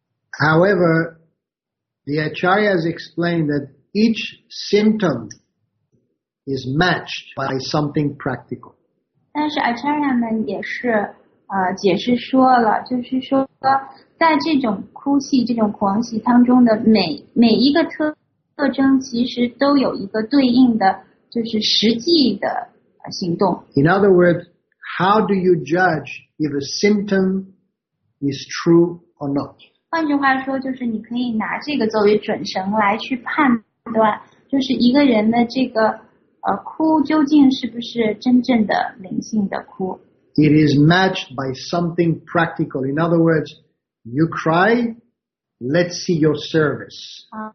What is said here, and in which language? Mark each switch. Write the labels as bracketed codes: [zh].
[en] However, the Acharyas explained that each symptom is matched by something practical. [zh] 但是Acharya们也是解释说了，就是说。在这种哭泣、这种狂喜当中的每一个特征，其实都有一个对应的，就是实际的行动。 [en] In other words, how do you judge if a symptom is true or not? [zh] 换句话说，就是你可以拿这个作为准绳来去判断，就是一个人的这个哭究竟是不是真正的灵性的哭。 [en] It is matched by something practical. In other words, you cry, let's see your service.